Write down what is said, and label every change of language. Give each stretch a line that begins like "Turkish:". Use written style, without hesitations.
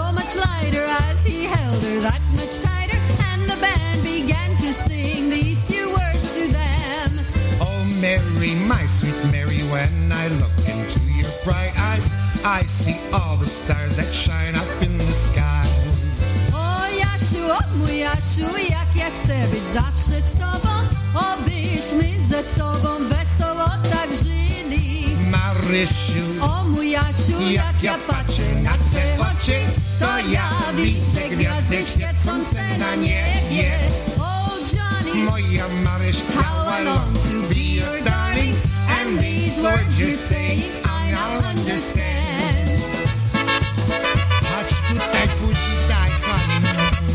English: Lighter as he held her that much tighter, and the band began to sing these few words to them. Oh Mary, my sweet Mary, when I look into your bright eyes, I see all the stars that shine up in the sky. Oh Yashu, oh my Yashu,
Polish: jak ja chcę być zawsze z tobą, obyś my ze sobą wesoło tak żyli. Marysiu,
English: oh my Yashu,
Polish: jak ja patrzę na twoje oczy, to ja widzę gwiazdy świecące na niebie.
English: Oh Johnny,
Polish: moja Maryś,
English: how I long to be your darling, and these words you say I now understand.
Polish: Patrz tutaj, budzi, daj pan.